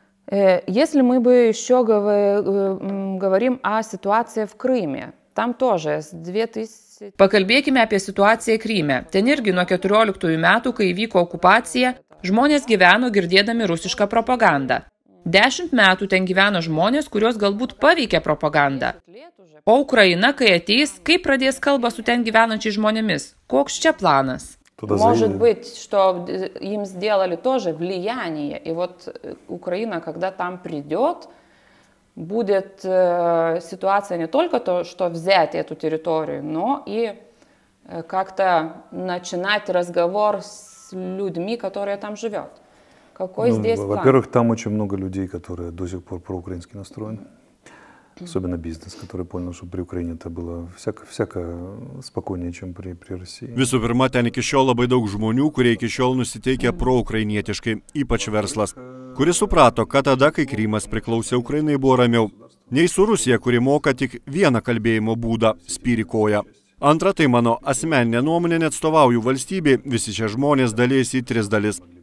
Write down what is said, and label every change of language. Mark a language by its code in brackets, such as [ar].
[ru] Если мы бы еще говорим о ситуации в Крыме, там тоже с 2000... [lt] Pakalbėkime apie situaciją Kryme. Ten irgi nuo 14 metų, kai vyko okupacija, žmonės gyveno girdėdami rusišką propagandą. 10 metų ten gyveno žmonės, kurios galbūt paveikė propagandą. O Ukraina, kai ateis, kaip pradės kalbą su ten gyvenančiais žmonėmis? Koks čia planas? [ru] Может быть, что им сделали тоже влияние, и вот Украина, когда там придет, будет ситуация не только то, что взять эту территорию, но и как-то начинать разговор с людьми, которые там живут. Какой здесь план? Во-первых, там очень много людей, которые до сих пор проукраински настроены. Особенно бизнес, который понял, что при Украине это было всяко спокойнее, чем при России. [lt] Visų pirma, ten iki šiol labai daug žmonių, kurie iki šiol nusiteikė proukrainietiškai, ypač verslas, kuris suprato, kad tada, kai Krymas priklausė Ukrainai, buvo ramiau. Nei su Rusija, kuri moka tik vieną kalbėjimo būdą – spyrikoja. Antra, tai mano asmeninė nuomonė, neatstovauju valstybei, visi šie žmonės dalėsi į tris dalis.